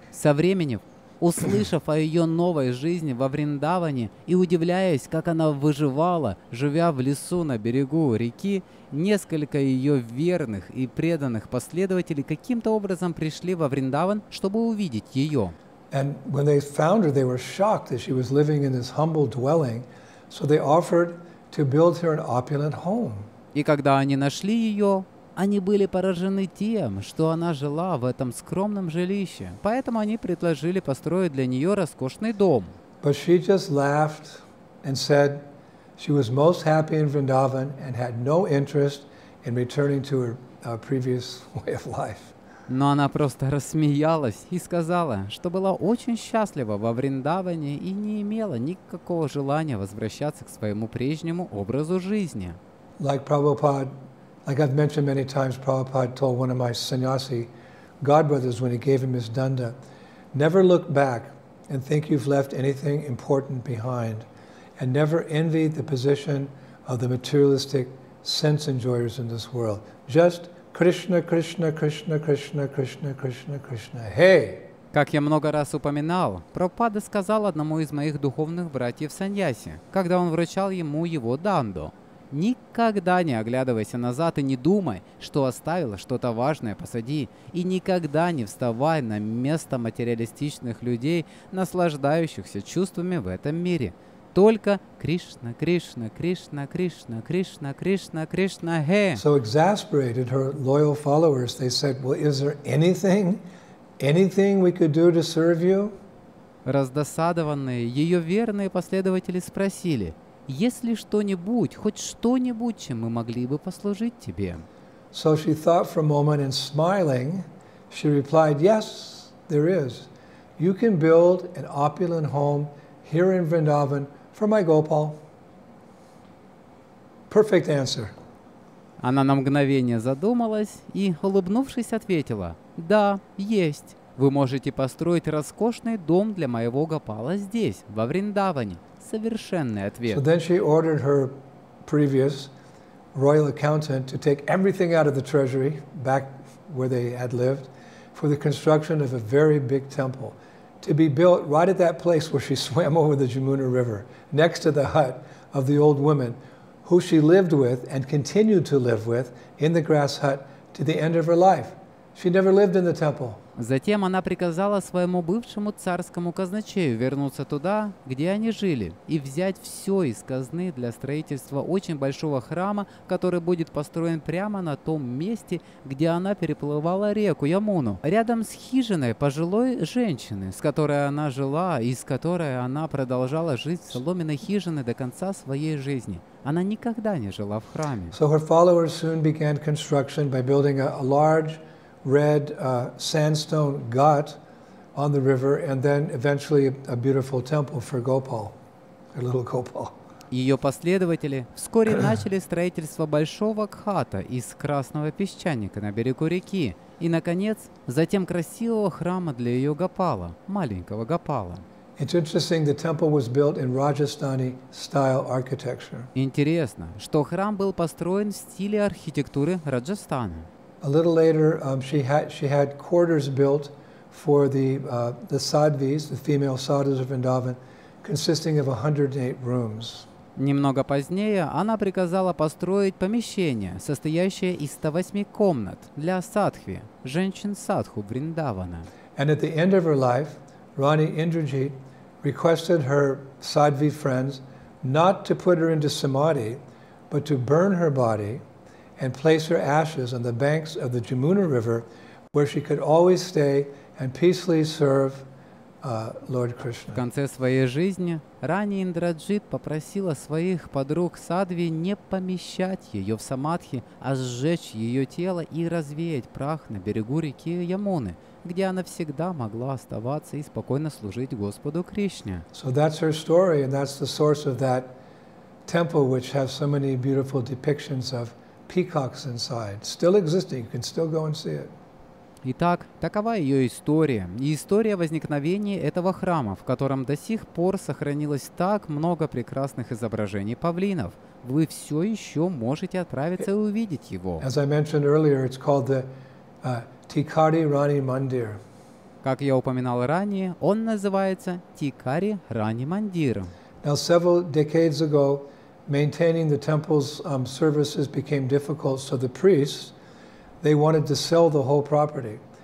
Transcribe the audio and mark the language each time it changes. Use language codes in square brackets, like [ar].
[ru] Со временем, услышав о ее новой жизни во Вриндаване и удивляясь, как она выживала, живя в лесу на берегу реки, несколько ее верных и преданных последователей каким-то образом пришли во Вриндаван, чтобы увидеть ее. [en] And when they found her, they were shocked that she was living in this humble dwelling, so they offered to build her an opulent home. [ru] И когда они нашли ее, они были поражены тем, что она жила в этом скромном жилище, поэтому они предложили построить для нее роскошный дом. [en] But she just laughed and said she was most happy in Vrindavan and had no interest in returning to her previous way of life. [ru] Но она просто рассмеялась и сказала, что была очень счастлива во Вриндаване и не имела никакого желания возвращаться к своему прежнему образу жизни. [en] Like Prabhupada, like I've mentioned many times, Prabhupada told one of my sannyasi godbrothers when he gave him his danda, never look back and think you've left anything important behind, and never envy the position of the materialistic sense enjoyers in this world. Just Krishna, Krishna, Krishna, Krishna, Krishna, Krishna, Krishna. Hey! [ru] Как я много раз упоминал, Прабхупада сказал одному из моих духовных братьев саньяси, когда он вручал ему его данду: никогда не оглядывайся назад и не думай, что оставил что-то важное позади, и никогда не вставай на место материалистичных людей, наслаждающихся чувствами в этом мире. Только Кришна, Кришна, Кришна, Кришна, Кришна, Кришна, Кришна, Хе. [en] So exasperated, her loyal followers, they said, well, is there anything, anything we could do to serve you? [ru] Раздосадованные ее верные последователи спросили: есть ли что-нибудь, хоть что-нибудь, чем мы могли бы послужить тебе? [en] So she thought for a moment and smiling, she replied, yes, there is. You can build an opulent home here in Vrindavan for my Gopal. Perfect answer. [ru] Она на мгновение задумалась и, улыбнувшись, ответила: да, есть. Вы можете построить роскошный дом для моего Гопала здесь, во Вриндаване. Совершенный ответ. [en] So then she ordered her previous royal accountant to take everything out of the treasury back where they had lived for the construction of a very big temple to be built right at that place where she swam over the Yamuna River, next to the hut of the old woman who she lived with and continued to live with in the grass hut to the end of her life. She never lived in the temple. [ru] Затем она приказала своему бывшему царскому казначею вернуться туда, где они жили, и взять все из казны для строительства очень большого храма, который будет построен прямо на том месте, где она переплывала реку Ямуну, рядом с хижиной пожилой женщины, с которой она жила и с которой она продолжала жить в соломенной хижине до конца своей жизни. Она никогда не жила в храме. [en] So her followers soon began construction by building a large red sandstone ghat on the river, and then eventually a beautiful temple for Gopal, a little Gopal. [ru] Ее последователи вскоре начали строительство большого кхата из красного песчаника на берегу реки, и, наконец, затем красивого храма для ее Гопала, маленького Гопала. [en] It's interesting, the temple was built in Rajasthani-style architecture. [ru] Интересно, что храм был построен в стиле архитектуры Раджастана. [en] A little later, she had quarters built for the sadhvis, the female sadhus of Vrindavan, consisting of 108 rooms. [ru] Немного позднее она приказала построить помещение, состоящее из 108 комнат для садхви, женщин-садху Вриндавана. [en] And at the end of her life, Rani Indrajit requested her sadhvi friends not to put her into samadhi, but to burn her body and place her ashes on the banks of the Yamuna River, where she could always stay and peacefully serve Lord Krishna. [ru] В конце своей жизни Рани Индраджит попросила своих подруг садхви не помещать ее в самадхи, а сжечь ее тело и развеять прах на берегу реки Ямуны, где она всегда могла оставаться и спокойно служить Господу Кришне. [en] So that's her story, and that's the source of that temple, which has so many beautiful depictions of peacocks inside, still existing. You can still go and see it. [ru] Итак, такова ее история и история возникновения этого храма, в котором до сих пор сохранилось так много прекрасных изображений павлинов. Вы все еще можете отправиться и увидеть его. [en] As I mentioned earlier, it's called the Tikari Rani Mandir. [ru] Как я упоминал ранее, он называется Tikari Rani Mandir. [en] Now, several decades ago, maintaining the temple's services became difficult, so the priests, they wanted to sell the whole property.